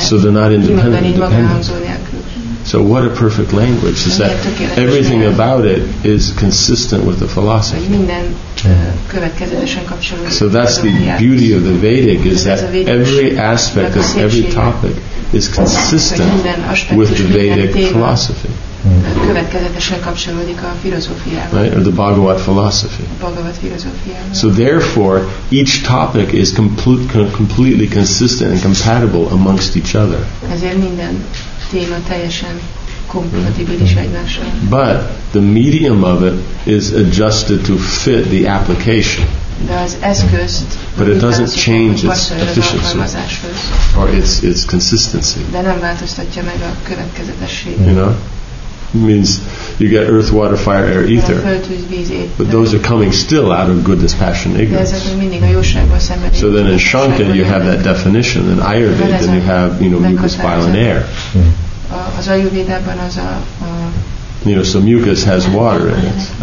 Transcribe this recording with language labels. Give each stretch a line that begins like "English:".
English: So they're not independent. So what a perfect language is that. Everything about it is consistent with the philosophy. So that's the beauty of the Vedic, is that every aspect of every topic is consistent with the Vedic philosophy.
Hungarian: Következetesen kapcsolódik a filozófiával.
English: Right, or the Bhagavad philosophy.
Hungarian: Bhagavad filozófiával.
English: So therefore, each topic is completely consistent and compatible amongst each other.
Hungarian: Ezért minden téma teljesen kompatibilis egymással.
English: But the medium of it is adjusted to fit the application.
Hungarian: De az eszközt,
English: but it doesn't change its efficiency or its consistency.
Hungarian: De nem változtatja meg a következetességet.
English: You know? Means you get earth, water, fire, air, ether. But those are coming still out of good dispassion, ignorance. So then in Shankya you have that definition, in Ayurveda then you have, you know, mucus, bile, and air. You know, so mucus has water in it.